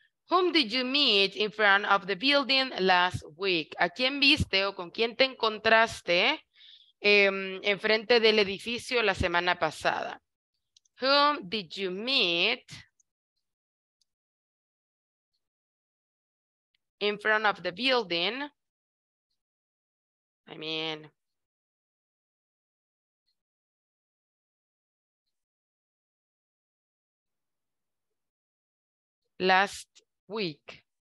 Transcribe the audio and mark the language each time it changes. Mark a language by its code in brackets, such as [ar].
[en] Whom did you meet in front of the building last week? [es] ¿A quién viste o con quién te encontraste en frente del edificio la semana pasada? [en] Whom did you meet in front of the building? I mean, last week.